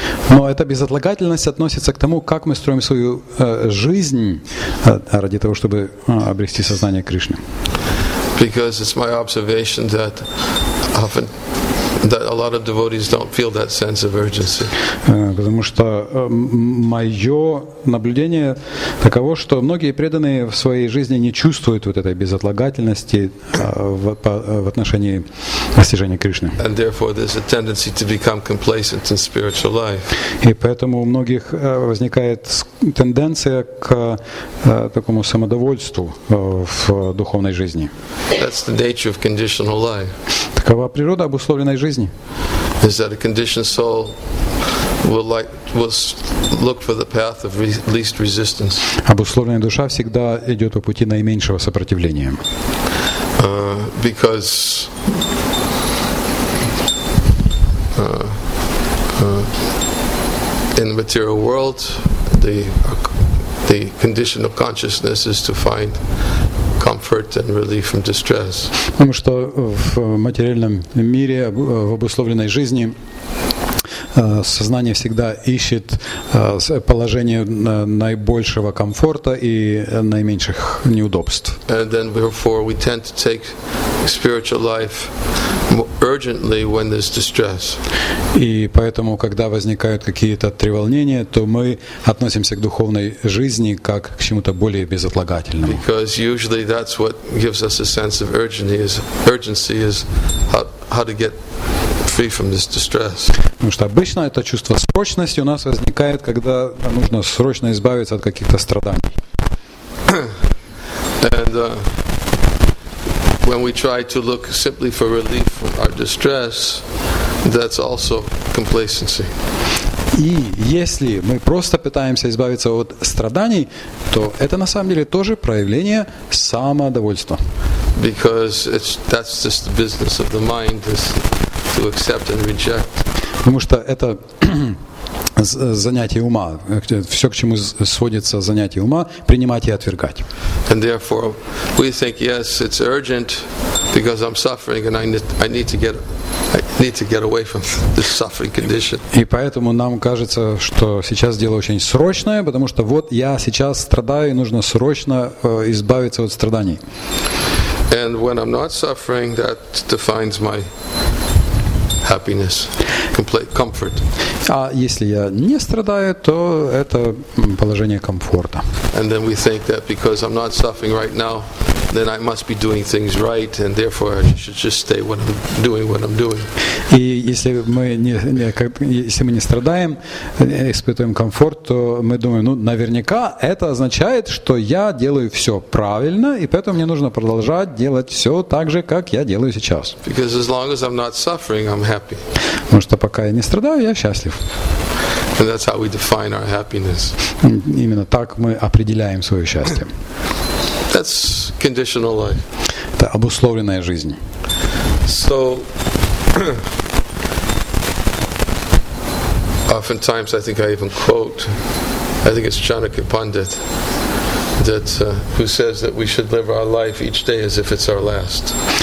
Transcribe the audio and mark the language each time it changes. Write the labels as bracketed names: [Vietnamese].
[Russian] Но эта безотлагательность относится к тому, как мы строим свою жизнь ради того, чтобы обрести сознание Кришны. [English] Because it's my observation that often that a lot of devotees don't feel that sense of urgency. [Russian] Потому что мое наблюдение таково, что многие преданные в своей жизни не чувствуют вот этой безотлагательности в отношении достижения Кришны. [English] And therefore, there's a tendency to become complacent in spiritual life. [Russian] И поэтому у многих возникает тенденция к такому самодовольству в духовной жизни. [English] That's the nature of conditional life. [Russian] Какова природа обусловленной жизни? [English] Is that a conditioned soul will like will look for the path of least resistance? [Russian] Обусловленная душа всегда идет по пути наименьшего сопротивления. [English] Because in the material world, the condition of consciousness is to find comfort and relief from distress. [Russian] Потому что в материальном мире, в обусловленной жизни, сознание всегда ищет положение наибольшего комфорта и наименьших неудобств. [English] And then therefore we tend to take spiritual life urgently when there's distress. [Russian] И поэтому, когда возникают какие-то треволнения, то мы относимся к духовной жизни как к чему-то более безотлагательному. [English] Because usually that's what gives us a sense of urgency is how to get free from this distress. [Russian] Потому что обычно это чувство срочности у нас возникает, когда нужно срочно избавиться от каких-то страданий. [English] And when we try to look simply for relief from our distress, that's also complacency. [Russian] И если мы просто пытаемся избавиться от страданий, то это на самом деле тоже проявление самодовольства. [English] Because that's just the business of the mind is to accept and reject. [Russian] Потому что это занятие ума, все, к чему сводится занятие ума, принимать и отвергать. [English] And therefore we think, yes, it's urgent because I'm suffering and I need to get away from this suffering condition. [Russian] И поэтому нам кажется, что сейчас дело очень срочное, потому что вот я сейчас страдаю, и нужно срочно избавиться от страданий. [English] And when I'm not suffering, that defines my happiness, complete comfort. [Russian] А если я не страдаю, то это положение комфорта. [English] And then we think that because I'm not suffering right now, then I must be doing things right, and therefore I should just stay what I'm doing. [Russian] И если мы не страдаем, испытываем комфорт, то мы думаем, ну, наверняка это означает, что я делаю все правильно, и поэтому мне нужно продолжать делать все так же, как я делаю сейчас. [English] Because as long as I'm not suffering, I'm happy. [Russian] Потому что пока я не страдаю, я счастлив. [English] And that's how we define our happiness. [Russian] Именно так мы определяем свое счастье. [English] That's conditional life. [Russian] Это обусловленная жизнь. [English] So oftentimes I think it's Chanakya Pandit who says that we should live our life each day as if it's our last.